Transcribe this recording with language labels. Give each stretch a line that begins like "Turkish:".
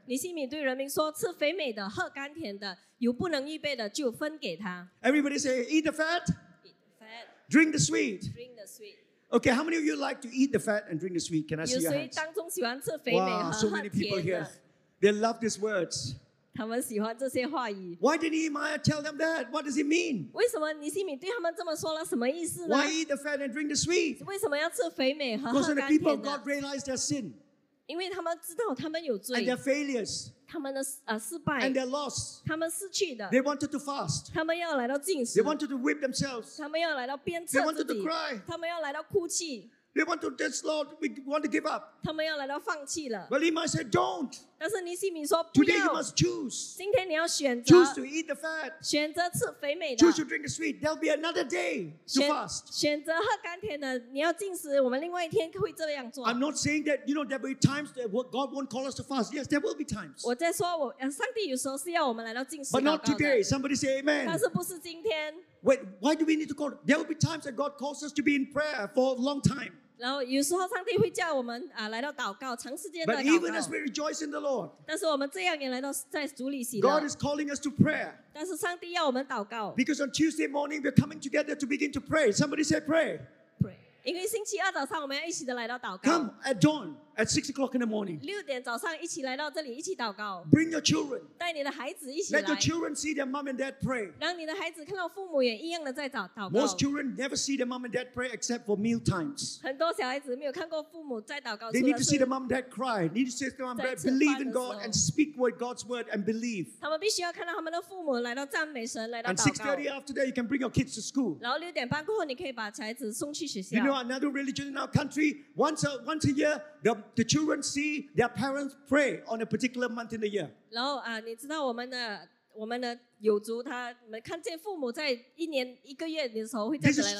Chinese: 尼西米对人民说, 吃肥美的, 喝甘甜的, 有不能预备的, 就分给他。
English: Everybody say, eat the fat. Eat the fat. Drink the sweet. Drink the sweet. Okay, how many of you like to eat the fat and drink the sweet? Can I see your hands?
Chinese: 有谁当中喜欢吃肥美和喝甜的?
English: Wow, so many people here. They love these words.
Chinese: 他们喜欢这些话语。
English: Why did Nehemiah tell them that? What does it mean?
Chinese: 为什么尼西米对他们这么说了? 什么意思呢?
English: Why eat the fat and drink the sweet?
Chinese: 为什么要吃肥美和喝甘甜的?
English: Because when the people of God realize their sin,
Chinese: 因为他们知道他们有罪,
English: and their failures,
Chinese: 他们的, 失败,
English: and their loss,
Chinese: 他们失去的,
English: they wanted to fast,
Chinese: 他们要来到禁食,
English: they wanted to whip themselves,
Chinese: 他们要来到鞭策自己,
English: they wanted to cry,
Chinese: 他们要来到哭泣,
English: they want to just, Lord, we want to give up,
Chinese: 他们要来到放弃了,
English: but Nehemiah said, don't,
Chinese: 但是尼西米说,
English: today you must choose,
Chinese: 今天你要选择,
English: choose to eat the fat,
Chinese: 选择吃肥美的,
English: choose to drink the sweet, there'll be another day to
Chinese: 选,
English: fast,
Chinese: 选择喝甘甜的, 你要禁食, 我们另外一天会这样做,
English: I'm not saying that, you know, there will be times that God won't call us to fast, yes, there will be times,
Chinese: 我在说, 我, 上帝有时候是要我们来到禁食,
English: but not today, somebody say amen,
Chinese: 但是不是今天,
English: wait, why do we need to call, there will be times that God calls us to be in prayer for a long time,
Chinese: 然后有时候上帝会叫我们, 来到祷告, 长时间的祷告,
English: but even as we rejoice in the Lord,
Chinese: 但是我们这样也来到在主里喜乐,
English: God is calling us to prayer,
Chinese: 但是上帝要我们祷告,
English: because on Tuesday morning we're coming together to begin to pray. Somebody say pray. Pray.
Chinese: 因为星期二早上我们要一起的来到祷告,
English: come at dawn at 6 o'clock in the morning,
Chinese: 6点早上一起来到这里, 一起祷告,
English: bring your children,
Chinese: 带你的孩子一起来,
English: let your children see their mom and dad pray,
Chinese: 让你的孩子看到父母也一样的在祷告,
English: most children never see their mom and dad pray except for meal times,
Chinese: 很多小孩子没有看过父母在祷告,
English: they need to see their mom and dad cry, need to see their mom and dad believe in God and speak with God's word and believe,
Chinese: 他们必须要看到他们的父母来到赞美神, 来到祷告,
English: and 6:30 after that you can bring your kids to school,
Chinese: 然后6点半过后你可以把小孩子送去学校,
English: you know another religion in our country, once a year the children see their parents pray on a particular month in the year.
Chinese: 然后, 你知道我们的友族他们看见父母在一年一个月的时候会在这里来祷告。